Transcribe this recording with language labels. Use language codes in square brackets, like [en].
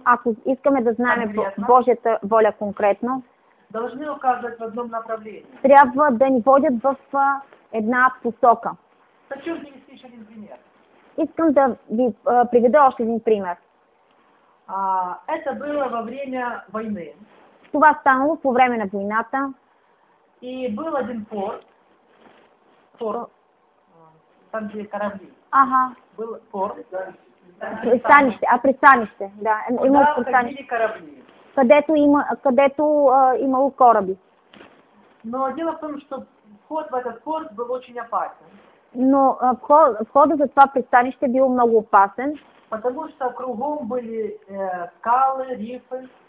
[bg] Ако искаме да знаем Божията воля конкретно. [ru] Должны указывать в одном направлении. [bg] Трябва да ни водят в една посока. [ru] Хочу привести еще один пример. [bg] Искам да ви приведа още един пример. [ru] Это было во время войны. [bg] Това станало по време на войната. [ru] И был один порт. Там, где корабли. Ага. Был порт. [bg] Пристанище. [ru] Куда [bg] пристанище. [ru] Ходили корабли. [bg] където има, където имало кораби. [ru] Но дело в том, что вход в этот порт был очень опасен. [bg] Но входа за това пристанище било много опасен. [ru] Потому что кругом были скалы, рифы.